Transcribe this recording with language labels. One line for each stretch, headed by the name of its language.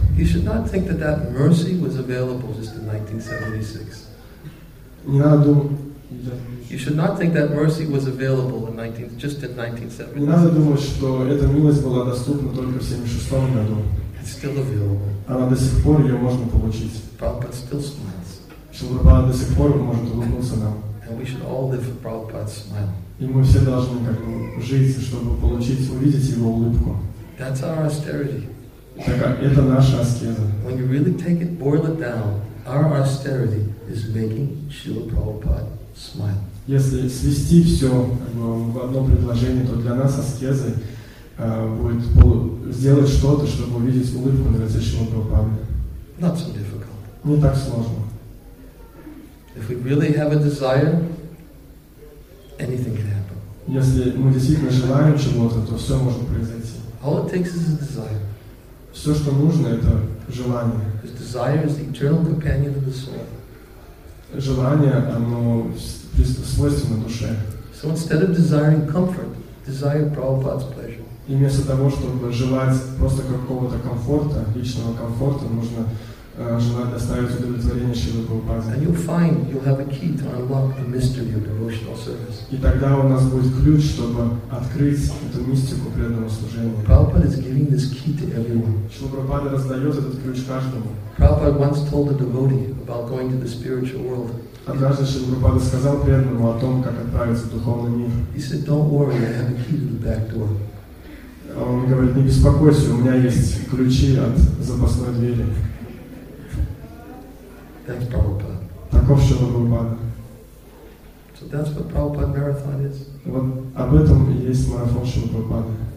English: He should not think that that mercy was available just in 1976.
Russian: Не надо думать.
English: You should not think that mercy was available in 1976.
Russian: Не надо думать, что эта милость была доступна только в 76 году.
English: It's still available.
Russian: Она до сих пор ее можно получить.
English: Prabhupada still smiles.
Russian: Шрила до сих пор может улыбнуться нам.
English: And we should all live for Prabhupada's smile.
Russian: И мы все должны как бы жить, чтобы получить, увидеть его улыбку.
English: That's our austerity.
Russian: Это наша аскеза.
English: When you really take it, boil it down, our austerity is making Srila Prabhupada smile.
Russian: Если свести все в одно предложение, то для нас аскезой будет сделать что-то, чтобы увидеть улыбку на лице Шрилы Прабхупады.
English: Not so difficult.
Russian: Не так сложно.
English: If we really have a desire, anything can happen.
Russian: Если мы действительно желаем чего-то, то все может произойти.
English: All it takes is a desire.
Russian: Все, что нужно, это желание.
English: His desire is the eternal companion of the soul.
Russian: Желание, оно свойственно душе.
English: So instead of desiring comfort, desire Prabhupada's pleasure.
Russian: И вместо того, чтобы желать просто какого-то комфорта, личного комфорта, нужно желать доставить удовлетворение Шиле Прабхупаде.
English: And you'll find you'll have a key to unlock the mystery of devotional service.
Russian: И тогда у нас будет ключ, чтобы открыть эту мистику преданного служения.
English: Prabhupada is giving this key to everyone.
Russian: Шиле Прабхупада раздает этот ключ каждому.
English: Prabhupada once told a devotee about going to the spiritual world.
Russian: Однажды Шиле Прабхупада сказал преданному о том, как отправиться в духовный мир.
English: He said, "Don't worry, I have a key to the back door."
Russian: Он говорит, не беспокойся, у меня есть ключи от запасной двери.
English: That's Prabhupada.
Russian: Таков Шрила Прабхупада.
English: So that's what Prabhupada marathon is.
Russian: Вот об этом и есть марафон Шрила Прабхупада.